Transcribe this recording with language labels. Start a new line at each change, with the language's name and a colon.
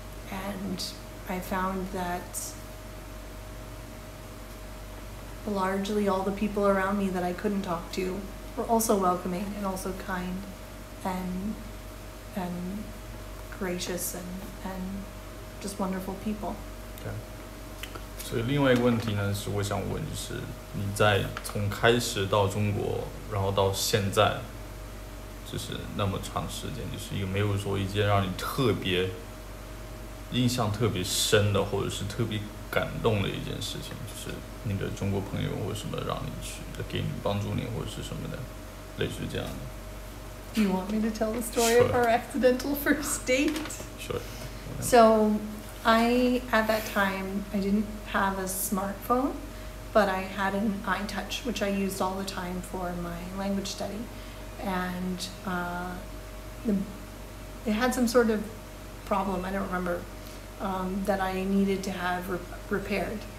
English: And I found that largely all the people around me that I couldn't talk to were also welcoming and also kind and gracious and just wonderful people. Okay.
Chinese: 所以另外一个问题呢，是我想问，就是你在从开始到中国，然后到现在，就是那么长时间，就是有没有说一件让你特别印象特别深的，或者是特别感动的一件事情，就是你的中国朋友或什么让你去给你帮助你或者是什么的，类似这样的。
English: You want me to tell the story of our accidental first date? Sure. So, at that time, I didn't have a smartphone, but I had an iTouch, which I used all the time for my language study. And it had some sort of problem, I don't remember, that I needed to have repaired.